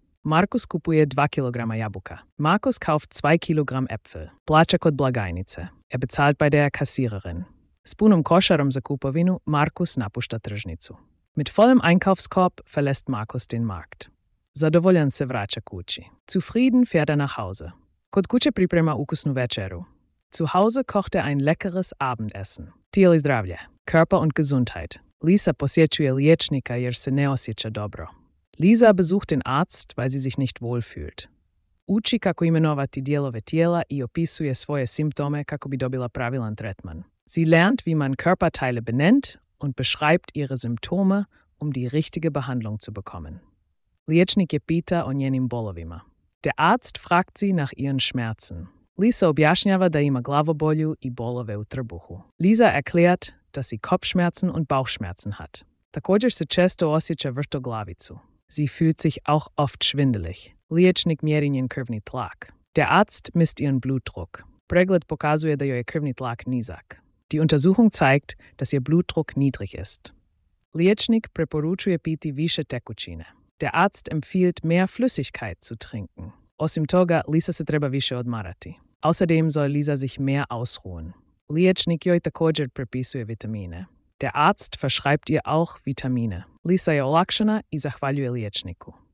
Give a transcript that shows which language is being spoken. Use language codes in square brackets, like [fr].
[hr] Markus kupuje 2 kilograma jabuka. [de] Markus kauft 2 kilogram Äpfel. [hr] Plaća kod blagajnice. [de] Bezahlt bei der Kassiererin. [hr] S punom košarom za kupovinu, Markus napušta tržnicu. [de] Mit vollem Einkaufskorb verlässt Markus den Markt. [hr] Zadovoljan se vraća kući. [de] Zufrieden fährt nach Hause. [hr] Kod kuće priprema ukusnu večeru. [de] Zu Hause kocht ein leckeres Abendessen. [hr] Tijelo i zdravlje. [de] Körper und Gesundheit. [hr] Lisa posjećuje liječnika jer se ne osjeća dobro. [de] Lisa besucht den Arzt, weil sie sich nicht wohl fühlt. [hr] Uči kako imenovati dijelove tijela i opisuje svoje simptome kako bi dobila pravilan tretman. [de] Sie lernt, wie man Körperteile benennt und beschreibt ihre Symptome, die richtige Behandlung zu bekommen. [hr] Liječnik je pita o njenim bolovima. [de] Der Arzt fragt sie nach ihren Schmerzen. [hr] Lisa objašnjava da ima glavobolju i bolove u trbuhu. [de] Lisa erklärt, dass sie Kopfschmerzen und Bauchschmerzen hat. [hr] Također se često osjeća vrtoglavicu. [de] Sie fühlt sich auch oft schwindelig. [hr] Liječnik mjeri njen krvni tlak. [de] Der Arzt misst ihren Blutdruck. [hr] Pregled pokazuje da joj je krvni tlak nizak. [de] Die Untersuchung zeigt, dass ihr Blutdruck niedrig ist. [hr] Liječnik preporučuje piti više tekućine. [de] Der Arzt empfiehlt mehr Flüssigkeit zu trinken. [hr] Osim toga, Lisa se treba više odmarati. [de] Außerdem soll Lisa sich mehr ausruhen. [hr] Liječnik joj također prepisuje vitamine. [de] Der Arzt verschreibt ihr auch Vitamine. [hr] Lisa je olakšana i zahvaljuje liječniku.